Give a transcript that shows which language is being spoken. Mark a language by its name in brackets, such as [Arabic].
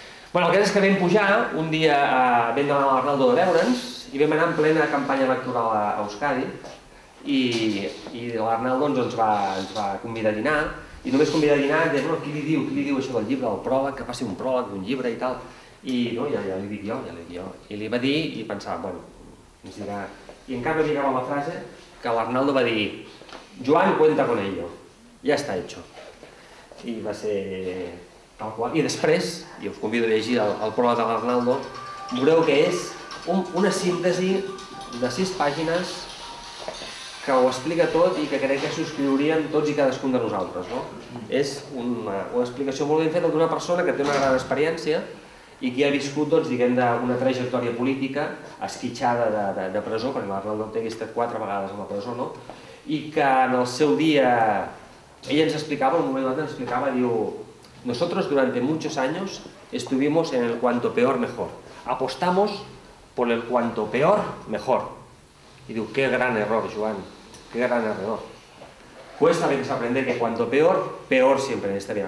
[Catalan] Bueno, el que és que vam pujar, un dia vam demanar a l'Arnaldo de veure'ns i vam anar en plena campanya electoral a Euskadi i l'Arnaldo ens va convidar a dinar i només convidar a dinar, deia, qui li diu això del llibre, el pròleg, que passi un pròleg d'un llibre i tal. I no, ja li dic jo. I li va dir i pensava, bueno, ens dirà. I encara no digava la frase que l'Arnaldo va dir, [Spanish] Joan, cuenta con ello, ya está hecho. [Catalan] I va ser tal qual. I després, i us convido a llegir el pròleg de l'Arnaldo, veureu que és una síntesi de 6 pàgines que ho explica tot i que crec que subscriurien tots i cadascun de nosaltres. No? És una explicació molt ben feta d'una persona que té una gran experiència i que ha viscut, doncs, diguem, una trajectòria política esquitxada de presó, perquè l'Arnaldo Otegi ha estat 4 vegades a la presó, no? I que en el seu dia, ell ens explicava, un moment d'altre ens explicava, diu, [Spanish] nosotros durante muchos años estuvimos en el cuanto peor mejor. Apostamos por el cuanto peor mejor. [Catalan] I diu, [Spanish] qué gran error, Joan, qué gran error. Cuesta a veces aprender que cuanto peor, peor siempre en esta vida.